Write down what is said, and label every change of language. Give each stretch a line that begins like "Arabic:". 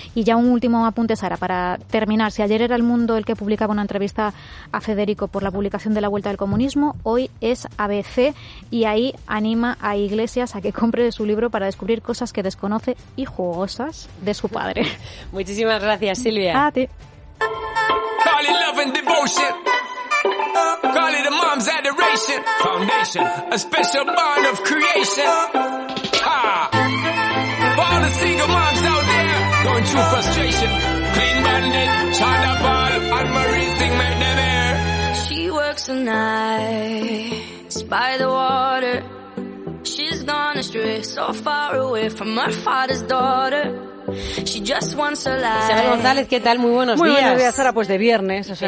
Spanish: Y ya un último apunte, Sara, para terminar. Si ayer era El Mundo el que publicaba una entrevista a Federico por la publicación de La Vuelta del Comunismo, hoy es ABC y ahí anima a Iglesias a que compre su libro para descubrir cosas que desconoce y jugosas de su padre. Muchísimas gracias, Silvia. A ti.
English: Call it love and devotion. Call it a mom's adoration. Foundation. A special bond of creation. For all the single moms out there going through frustration. Clean bandit, China ball, Anne-Marie thing made them air. She works the nights by the water. She's gone astray, so far away from my father's daughter. She just wants her life.
Spanish: Isabel González, ¿qué tal? Muy buenos Muy días. Muy buenos días, Sara, pues de viernes, o sea,